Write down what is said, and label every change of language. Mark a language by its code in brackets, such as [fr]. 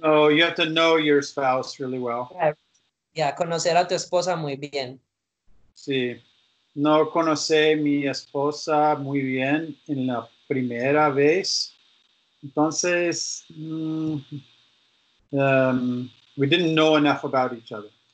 [en] No, you have to know your spouse really well. [es] Yeah, conocer a tu esposa muy bien. Sí. No conocí mi esposa muy bien en la primera vez. [en] Entonces, we didn't know enough about each other.